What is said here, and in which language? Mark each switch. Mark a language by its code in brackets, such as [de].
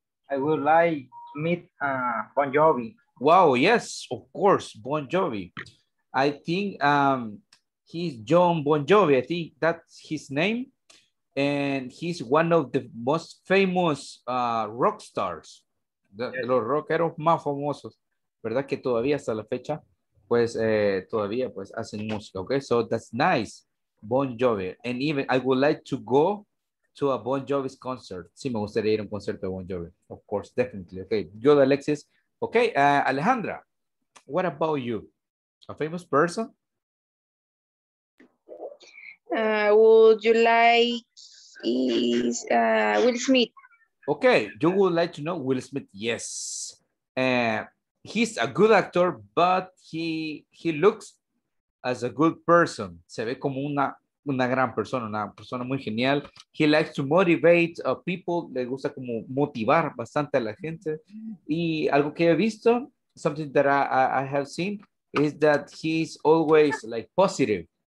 [en] I would like to meet Bon Jovi. Wow, yes, of course, Bon Jovi. I think he's John Bon Jovi. I think that's his name. And he's one of the most famous rock stars. [es] Yes. Los rockeros más famosos, ¿verdad? Que todavía hasta la fecha, pues todavía pues hacen música, okay? [en] So that's nice, Bon Jovi. And even I would like to go to a Bon Jovi's concert. [es] Sí, me gustaría ir a un concierto de Bon Jovi. [en] Of course, definitely. Okay, good, Alexis. Okay, Alejandra, what about you? A famous person? Would you like is Will Smith? Okay, you would like to know Will Smith? Yes. He's a good actor, but he looks as a good person. [es] Se ve como una gran persona, una persona muy genial. He likes to motivate people. Le gusta como motivar bastante a la gente. [en] Y algo que he visto, something that I have seen, is that he's always like positive.